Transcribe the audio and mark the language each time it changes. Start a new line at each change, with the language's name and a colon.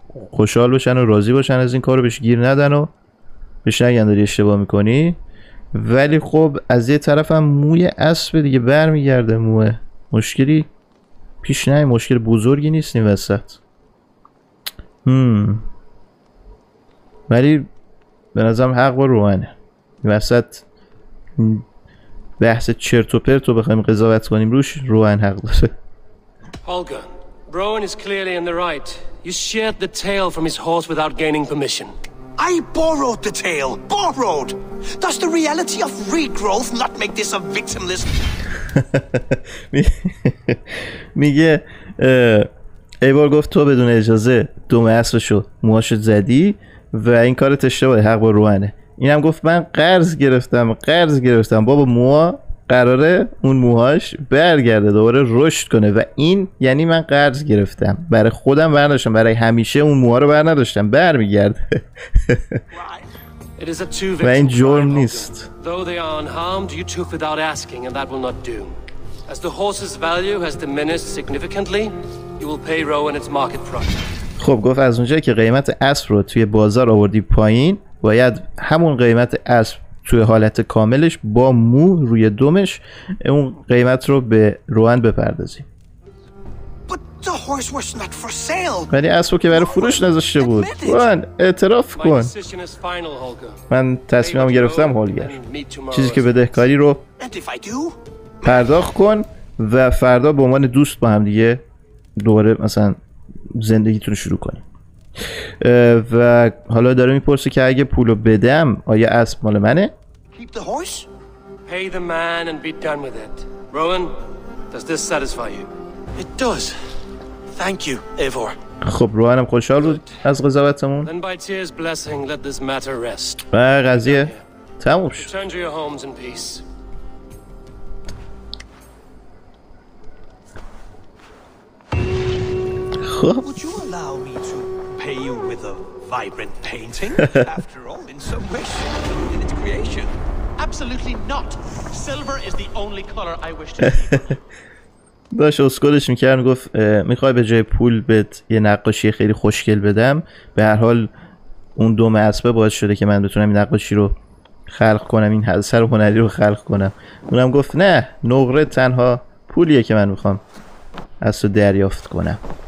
Persian: خوشحال بشن و راضی باشن از این کارو، بهش گیر ندن و بهش نگن داری اشتباه میکنی، ولی خب از یه طرف هم موی اسب دیگه بر میگرده، موه مشکلی پیش نه، مشکل بزرگی نیست این وسط. ولی به نظرم حق با روانه، این وسط بحث چرت و پرت رو بخوایم قضاوت کنیم روش، روان حق داره.
English: Holger, Rowan is clearly in the right. You shared the tail from his horse without gaining permission. I borrowed the tail. Borrowed. Does the reality of regrowth not make this a victimless...
Persian: میگه ایوار گفت تو بدون اجازه دوم اسبشو موهاشو زدی و این کارت اشتباهه، حق با روانه. اینم گفت من قرض گرفتم بابا، موها قراره اون موهاش برگرده دوباره رشد کنه و این یعنی من قرض گرفتم، برای خودم برنداشتم، برای همیشه اون موها رو برنداشتم، بر میگرده. و این جرم نیست.
English: Though they are unharmed, you took without asking, and that will not do. As the horse's value has diminished significantly, you will pay Rowan its market price.
Persian: خب گفت از اونجایی که قیمت اسب رو توی بازار آوردی پایین، باید همون قیمت اسب توی حالت کاملش با مو روی دومش اون قیمت رو به روان بپردازی.
English: But the horse was not for sale.
Persian: ولی اسبو که برای فروش نذاشته بود. روان اعتراف کن. من تصمیمم گرفتم هولگر. چیزی که بدهکاری رو پرداخت کن و فردا به عنوان دوست با هم دیگه دوباره مثلا زندگیتون رو شروع کنی. و حالا داره میپرسه که اگه پولو بدم آیا اسب مال منه؟
English: Keep the horse. Pay the man and be done with it. Rowan, does this satisfy you? It does. Thank you, Eivor.
Persian: خب روان هم خوشحال بود از قضاوتمون.
English: Then by Tyr's blessing, let this matter rest.
Persian: و قضیه تموم شد.
English: Return to your homes in peace. Would you allow me to pay you with a vibrant painting? After all, in some wish, in its creation. Absolutely not. Silver is the only color I wish to keep.
Persian: داشت اسکلش میکرد، میگفت میخوای به جای پول بهت یه نقاشی خیلی خوشگل بدم، به هر حال اون دوم اسبه باعث شده که من بتونم این نقاشی رو خلق کنم، این اثر هنری رو خلق کنم. اونم گفت نه، نقره تنها پولیه که من میخوام از تو دریافت کنم.